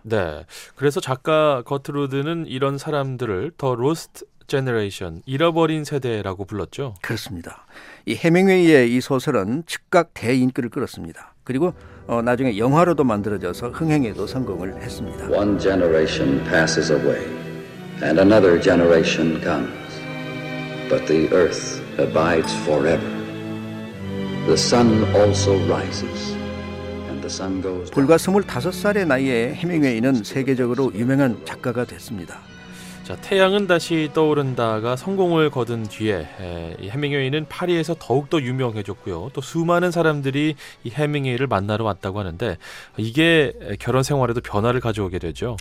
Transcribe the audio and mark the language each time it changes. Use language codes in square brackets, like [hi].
[ko] 네. 그래서 작가 거트루드는 이런 사람들을 더 로스트 제너레이션, 잃어버린 세대라고 불렀죠. 그렇습니다. 이 헤밍웨이의 이 소설은 즉각 대인기를 끌었습니다. 그리고 나중에 영화로도 만들어져서 흥행에도 성공을 했습니다. [en] One generation passes away and another generation comes. But the earth abides forever. The sun also rises and the sun goes. [ko] 불과 25살의 나이에 헤밍웨이는 세계적으로 유명한 작가가 됐습니다. 자, 태양은 다시 떠오른다가 성공을 거둔 뒤에 헤밍웨이는 파리에서 더욱더 유명해졌고요. 또 수많은 사람들이 이 헤밍웨이를 만나러 왔다고 하는데 이게 결혼 생활에도 변화를 가져오게 되죠.